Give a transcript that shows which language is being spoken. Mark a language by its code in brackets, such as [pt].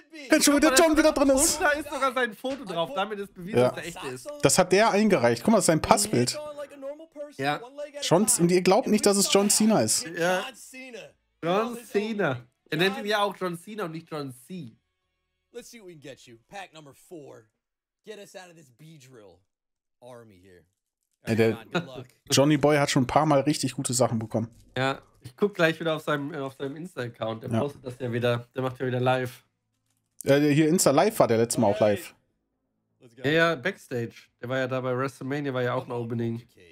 [de] Wenn schon wieder John wieder drin ist. Da ist sogar sein Foto drauf. Damit ist bewiesen, dass er echt ist. Das hat der eingereicht. Guck mal, das ist sein Passbild. Ja. Und ihr glaubt nicht, dass es John Cena ist. Ja. John Cena. Er nennt ihn ja auch John Cena und nicht John C. [en] Let's see what we can get you. Pack number 4. Get us out of this B-Drill Army here. [de] Hey, der Johnny Boy hat schon ein paar Mal richtig gute Sachen bekommen. Ja, ich guck gleich wieder auf seinem Insta-Account. Der postet das ja wieder. Der macht ja wieder live. Hier Insta-Live war der letzte Mal auch live. Ja, Backstage. Der war ja da bei WrestleMania, war ja auch ein Opening.